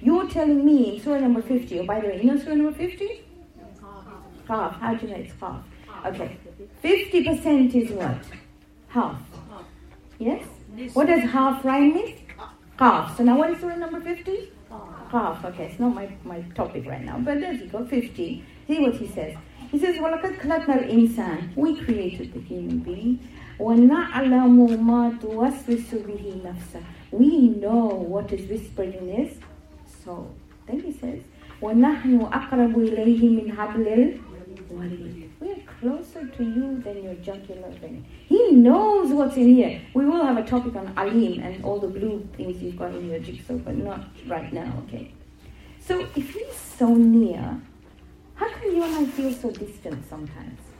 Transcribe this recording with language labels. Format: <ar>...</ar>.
<en>You're telling me in Surah number 50. Oh, by the way, you know Surah number 50? Half. How do you know it's half? Okay. 50% is what? Half. Yes? What does half rhyme with? Half. So now what is Surah number 50? Half. Okay, it's not my topic right now. But there you go, 50. See what he says. He says,</en> <ar>وَلَقَدْ خَلَقْنَا الْإِنسَانَ.</ar> <en>We created the human being.</en> <ar>وَنَعْلَمُ مَا تُوَسْوِسُ بِهِ نَفْسَهُ.</ar> <en>We know what is whispered in his soul. Then he says,</en> <ar>وَنَحْنُ أَقْرَبُ إِلَيْهِ مِنْ حَبْلِ الْوَرِيدِ.</ar> <en>We are closer to you than your jugular vein. He knows what's in here. We will have a topic on Alim and all the blue things you've got in your jigsaw, but not right now, okay? So if he's so near, how can you and I feel so distant sometimes?</en>